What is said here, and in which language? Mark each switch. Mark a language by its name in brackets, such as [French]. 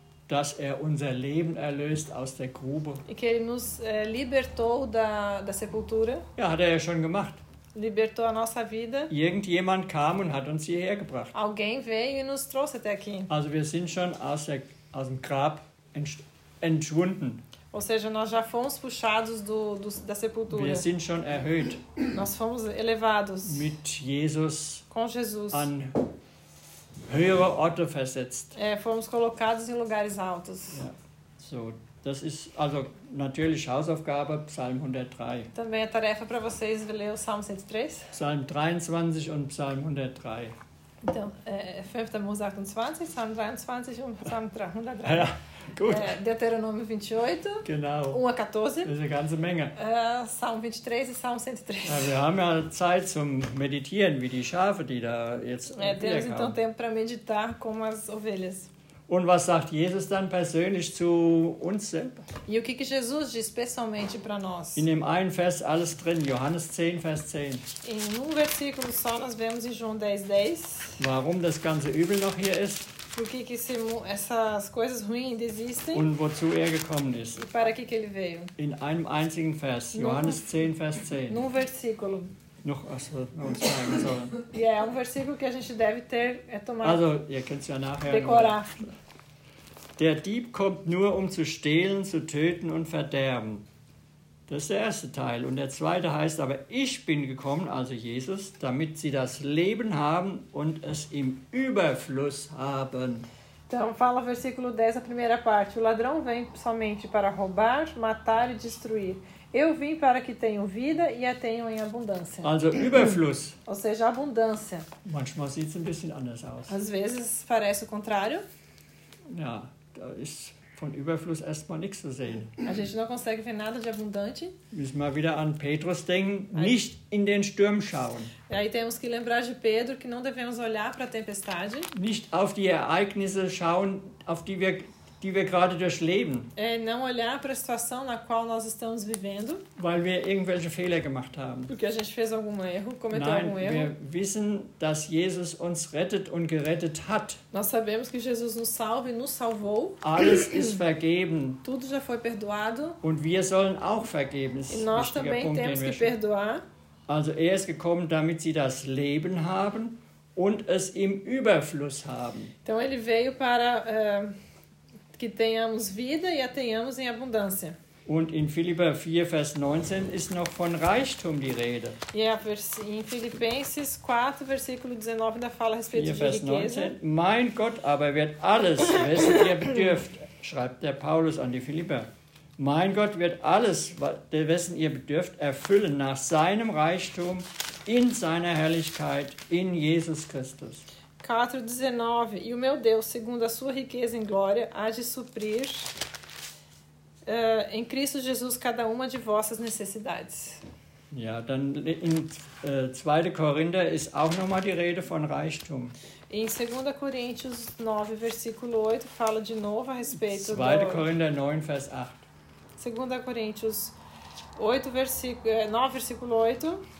[German] dass er unser Leben erlöst aus der Grube. [Portuguese] Que ele nos libertou da sepultura. [German] Ja, hat er ja schon gemacht. [Portuguese] Libertou a nossa vida. [German] Irgendjemand kam und hat uns hierher gebracht. [Portuguese] Alguém veio e nos trouxe até aqui. [German] Also wir sind schon aus der, aus dem Grab entschwunden. [Portuguese] Ou seja, nós já fomos puxados do, da sepultura. [German] Wir sind schon erhöht. [Portuguese] Nós fomos elevados. [German] Mit Jesus. [Portuguese] Com Jesus. [German] An höhere Orte versetzt. [Portuguese] Fomos colocados em lugares altos. [German] Ja. So, das ist also natürlich Hausaufgabe, Psalm 103. [Portuguese] Também é tarefa para vocês ler o Salmo 103. [German] Psalm 23 und Psalm 103. Então, 5. Mose 28, Psalm 23 und Psalm 103. Ja, gut. [Portuguese] Deuteronomio 28, [German] genau. [Portuguese] 1 a 14. [German] Das ist eine ganze Menge. Psalm 23 und Psalm 103. Ja, wir haben ja Zeit zum Meditieren, wie die Schafe, die da jetzt wiederkamen. [Portuguese] Temos então tempo para meditar como as ovelhas. [German] Und was sagt Jesus dann persönlich zu uns selber? [Portuguese] E o que que Jesus diz pessoalmente para nós? [German] In dem einen Vers alles drin, Johannes 10, Vers 10. [Portuguese] Em versículo só nós vemos em João 10, 10. [German] Warum das ganze Übel noch hier ist? [Portuguese] Por que que esse, essas coisas ruins existem? [German] Und wozu er gekommen ist? [Portuguese] E para que que ele veio? [German] In einem einzigen Vers, Johannes 10, Vers 10. [Portuguese] Num versículo. [German] Noch, also, noch sagen, sondern. Ja, ein Versículo, das wir [Portuguese] deve ter, tomar. [German] Also, ihr könnt es ja nachher. [Portuguese] Decorar. [German] Der Dieb kommt nur, um zu stehlen, zu töten und verderben. Das ist der erste Teil. Und der zweite heißt aber, ich bin gekommen, also Jesus, damit sie das Leben haben und es im Überfluss haben. [Portuguese] Então, fala o versículo 10, a primeira parte. O ladrão vem somente para roubar, matar e destruir. Eu vim para que tenham vida e a tenham em abundância. [German] Also, Überfluss. [Portuguese] Ou seja, abundância. [German] Manchmal sieht es ein bisschen anders aus. [Portuguese] Às vezes parece o contrário. [German] Ja, da ist von Überfluss erstmal nichts zu sehen. [Portuguese] A gente não consegue ver nada de abundante. [German] Müssen wir wieder an Petrus denken, nicht in den Sturm schauen. [Portuguese] E aí temos que lembrar de Pedro que não devemos olhar para a tempestade. [German] Nicht auf die Ereignisse schauen, auf die wir gerade durchleben. [Portuguese] Não olhar para a situação na qual nós estamos vivendo. [German] Weil wir irgendwelche Fehler gemacht haben. [Portuguese] Porque a gente fez algum erro, cometeu [German] Nein, [Portuguese] algum erro. [German] Wir wissen, dass Jesus uns rettet und gerettet hat. [Portuguese] Nós sabemos que Jesus nos salva e nos salvou. [German] Alles ist vergeben. [Portuguese] Tudo já foi perdoado. [German] Und wir sollen auch vergeben. [Portuguese] E nós também [German] Punkt, [Portuguese] temos que perdoar. [German] Also er ist gekommen, damit sie das Leben haben und es im Überfluss haben. [Portuguese] Então ele veio para que tenhamos vida e a tenhamos em abundância. [German] Und in Philipper 4, Vers 19 ist noch von Reichtum die Rede. [Portuguese] Ja, in Filipenses 4, versículo 19, da fala a respeito 4, de [German] Vers [Portuguese] riqueza. [German] 19, mein Gott aber wird alles, was ihr bedürft, schreibt der Paulus an die Philipper. Mein Gott wird alles, was ihr bedürft, erfüllen nach seinem Reichtum in seiner Herrlichkeit in Jesus Christus. [Portuguese] 4,19 E o meu Deus, segundo a sua riqueza em glória, há de suprir em Cristo Jesus cada uma de vossas necessidades. [German] Ja, dann in 2. Korinther ist auch nochmal die Rede von Reichtum. [Portuguese] Em 2 Coríntios 9, versículo 8, fala de novo a respeito [German] 2. Korinther 9, Vers 8. [Portuguese] 2 Coríntios 8, versículo, 9, versículo 8.